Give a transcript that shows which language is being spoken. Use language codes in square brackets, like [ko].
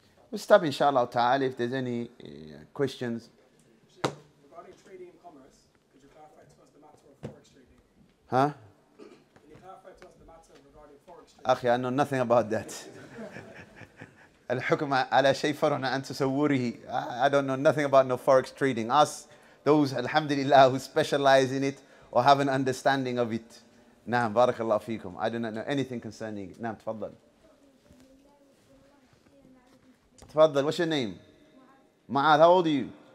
[en] We'll stop inshallah ta'ala if there's any questions. Regarding trading and commerce, could you clarify to us the matter of forex trading? Huh? Can you clarify to us the matter regarding forex trading? Akhi, I know nothing about that. [ar] الحكم على شيء فرع عن تصوره. [en] I don't know nothing about no forex trading. Ask those, alhamdulillah, who specialize in it or have an understanding of it. [ar] نعم بارك الله فيكم. [en] I do not know anything concerning it. [ar] نعم تفضل. تفضل. [en] What's your name? معاذ. How old are you?